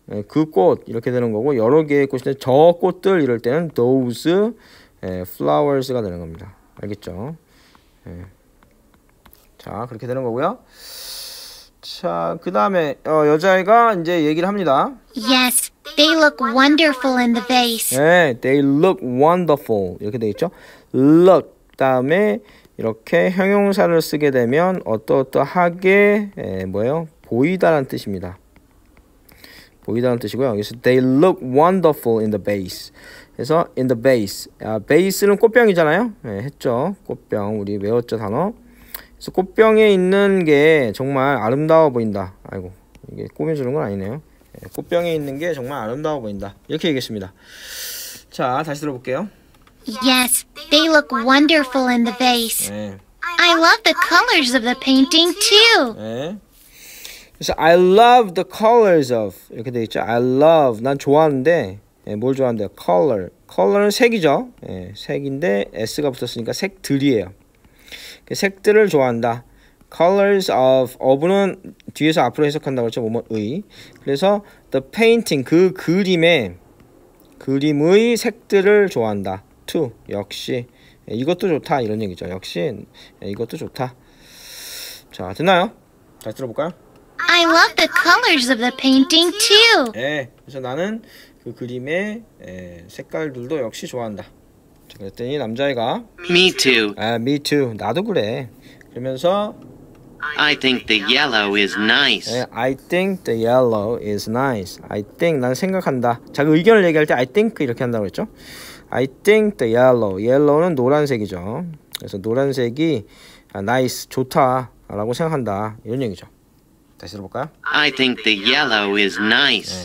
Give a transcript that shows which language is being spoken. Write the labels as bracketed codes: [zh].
[ko] 예, 그 꽃 이렇게 되는 거고 여러 개의 꽃인데 저 꽃들 이럴 때는 those 예, flowers가 되는 겁니다. 알겠죠? 예. 자 그렇게 되는 거고요. 자 그 다음에 어, 여자애가 이제 얘기를 합니다. [en] Yes, they look wonderful in the vase. [ko] 예, [en] they look wonderful [ko] 이렇게 되어 있죠. Look 다음에 이렇게 형용사를 쓰게 되면 어떠어떠하게 예, 뭐예요? 보이다라는 뜻입니다. 보이다라는 뜻이고요. 여기서 [en] they look wonderful in the vase. 그래서 in the vase. [ko] 아, vase는 꽃병이잖아요. 예, 했죠. 꽃병 우리 외웠죠 단어. 그래서 꽃병에 있는 게 정말 아름다워 보인다. 아이고 이게 꾸며주는 건 아니네요. 예, 꽃병에 있는 게 정말 아름다워 보인다. 이렇게 얘기했습니다. 자 다시 들어볼게요. [en] Yes, they look wonderful in the vase. [ko] 네. [en] I love the colors of the painting too. [ko] 네. [en] So I love the colors of [ko] 이렇게 돼 있죠. I love 난 좋아하는데 네, 뭘 좋아한대? Color. Color는 색이죠. 네, 색인데 S가 붙었으니까 색들이에요. 그 색들을 좋아한다. Colors of of는 뒤에서 앞으로 해석한다고 했죠. 뭐뭐의. 그래서 the painting 그 그림의 그림의 색들을 좋아한다. 역시 이것도 좋다 이런 얘기죠. 역시 이것도 좋다. 자 됐나요? 잘 들어볼까요? [en] I love the colors of the painting too. [ko] 네, 그래서 나는 그 그림의 색깔들도 역시 좋아한다. 자, 그랬더니 남자애가 [en] Me too. [ko] 아, me too. 나도 그래. 그러면서 [en] I think the yellow is nice. [ko] 네, [en] I think the yellow is nice. I think [ko] 나는 생각한다. 자, 그 의견을 얘기할 때 I think 이렇게 한다고 했죠? [en] I think the yellow. [ko] Yellow는 노란색이죠. 그래서 노란색이 아, nice, 좋다라고 생각한다. 이런 얘기죠. 다시 들어볼까요? [en] I think the yellow is nice.